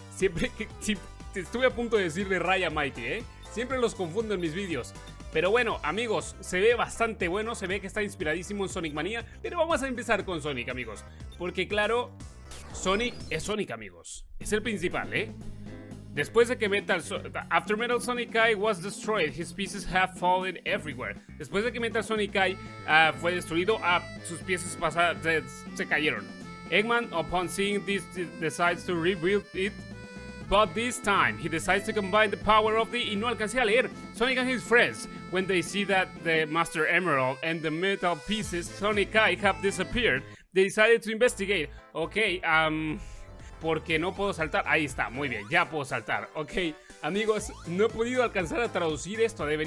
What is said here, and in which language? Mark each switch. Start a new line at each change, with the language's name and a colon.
Spanish: Siempre que estuve a punto de decirle Ray a Mighty, siempre los confundo en mis vídeos. Pero bueno, amigos, se ve bastante bueno, se ve que está inspiradísimo en Sonic Mania. Pero vamos a empezar con Sonic, amigos. Porque claro, Sonic es Sonic, amigos. Es el principal, Después de que Metal Sonic...
English: After Metal Sonic Eye was destroyed, his pieces have fallen everywhere.
Spanish: Después de que Metal Sonic Eye fue destruido, sus piezas pasadas se cayeron.
English: Eggman, upon seeing this, decides to rebuild it. But this time, he decides to combine the power of the...
Spanish: Y no alcancé a leer.
English: Sonic and his friends, when they see that the Master Emerald and the metal pieces Sonic Eye have disappeared, they decided to investigate.
Spanish: Ok, porque no puedo saltar. Ahí está, muy bien, ya puedo saltar. Ok, amigos, no he podido alcanzar a traducir esto.